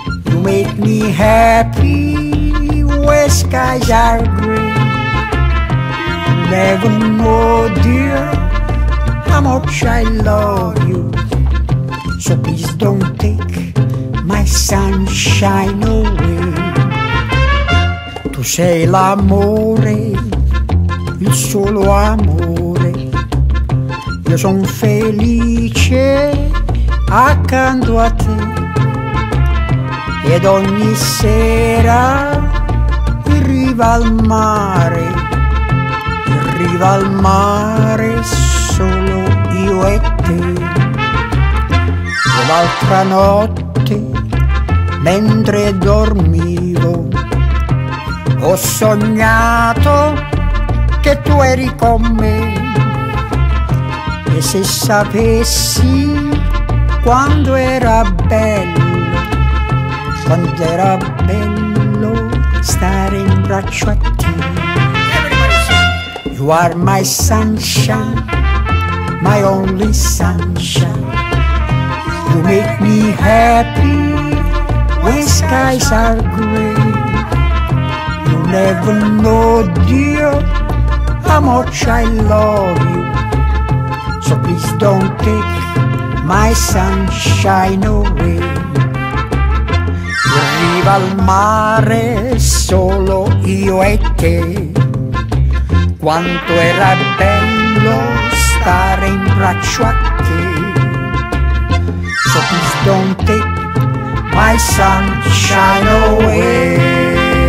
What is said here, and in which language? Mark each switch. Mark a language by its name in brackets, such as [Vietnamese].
[English] You make me happy when skies are gray. You never know, dear, how much I love you. So please don't take my sunshine away. [Italian] Tu sei l'amore, il solo amore. Io sono felice accanto a te. Ed ogni sera in riva al mare, in riva al mare solo io e te. E l'altra notte mentre dormivo ho sognato che tu eri con me. E se sapessi quando era bello, quando era bello stare in braccio a te. [English] You are my sunshine, my only sunshine. You make me happy when skies are gray. You never know, dear, how much I love you. So please don't take my sunshine away. [Italian] In riva al mare solo io e te. Quanto era bello stare in braccio a te. [English] So please don't take my sunshine away.